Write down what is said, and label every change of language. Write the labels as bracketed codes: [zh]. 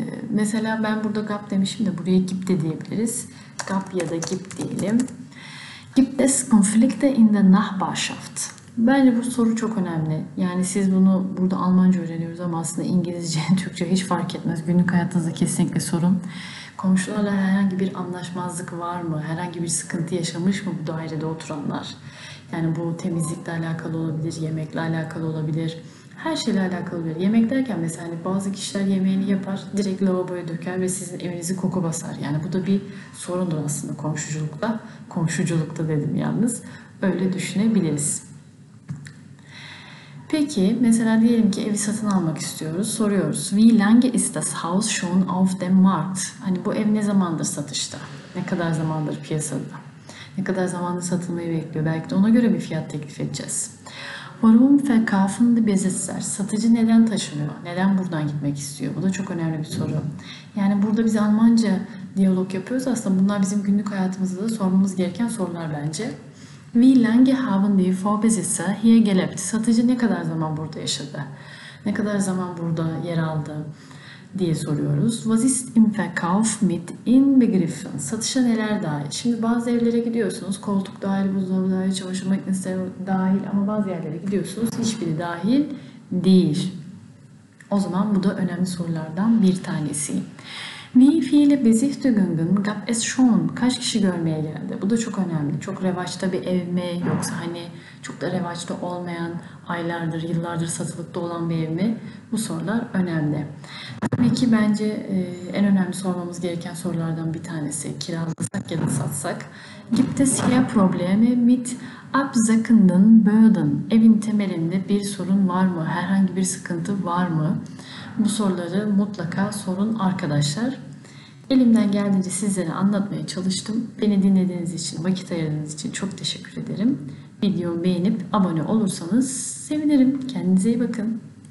[tr] Mesela ben burada gap demişim de buraya gip de diyebiliriz. Gap ya da gip diyelim. [de] Gibt es Konflikte in der Nachbarschaft? [tr] Bence bu soru çok önemli. Yani siz bunu burada Almanca öğreniyoruz ama aslında İngilizce, Türkçe hiç fark etmez. Günlük hayatınızda kesinlikle sorun. Komşularla herhangi bir anlaşmazlık var mı? Herhangi bir sıkıntı yaşamış mı bu dairede oturanlar? Yani bu temizlikle alakalı olabilir, yemekle alakalı olabilir. Her şeyle alakalı olabilir. Yemek derken mesela bazı kişiler yemeğini yapar, direkt lavaboya döker ve sizin evinizi koku basar. Yani bu da bir sorundur aslında komşuculukta. Komşuculukta dedim yalnız. Öyle düşünebiliriz. Peki, mesela diyelim ki evi satın almak istiyoruz, soruyoruz. [de] Wie lange ist das Haus schon auf dem Markt? [tr] Hani bu ev ne zamandır satışta? Ne kadar zamandır piyasada? Ne kadar zamandır satılmayı bekliyor? Belki de ona göre bir fiyat teklif edeceğiz. [de] Warum verkaufen die Besitzer? [tr] Satıcı neden taşınıyor? Neden buradan gitmek istiyor? Bu da çok önemli bir soru. Yani burada biz Almanca diyalog yapıyoruz. Aslında bunlar bizim günlük hayatımızda da sormamız gereken sorular bence. [de] Wie lange haben die Vorbesitzer hier gelebt? [tr] Satıcı ne kadar zaman burada yaşadı? Ne kadar zaman burada yer aldı diye soruyoruz. [de] Was ist im Verkauf mit inbegriffen? [tr] Satışa neler dahil? Şimdi bazı evlere gidiyorsunuz. Koltuk dahil, buzdolabı dahil, çamaşır makinesi dahil ama bazı yerlere gidiyorsunuz. Hiçbiri dahil değil. O zaman bu da önemli sorulardan bir tanesi. [de] Wie viele Besichtigungen gab es schon? [tr] Kaç kişi görmeye geldi? Bu da çok önemli. Çok revaçta bir ev mi? Yoksa hani çok da revaçta olmayan, aylardır, yıllardır satılıkta olan bir ev mi? Bu sorular önemli. Tabii ki bence en önemli sormamız gereken sorulardan bir tanesi. Kiralasak ya da satsak. [de] Gibt es hier Probleme mit Absackenden Böden? [tr] Evin temelinde bir sorun var mı? Herhangi bir sıkıntı var mı? Bu soruları mutlaka sorun arkadaşlar. Elimden geldiğince sizlere anlatmaya çalıştım. Beni dinlediğiniz için, vakit ayırdığınız için çok teşekkür ederim. Videomu beğenip abone olursanız sevinirim. Kendinize iyi bakın.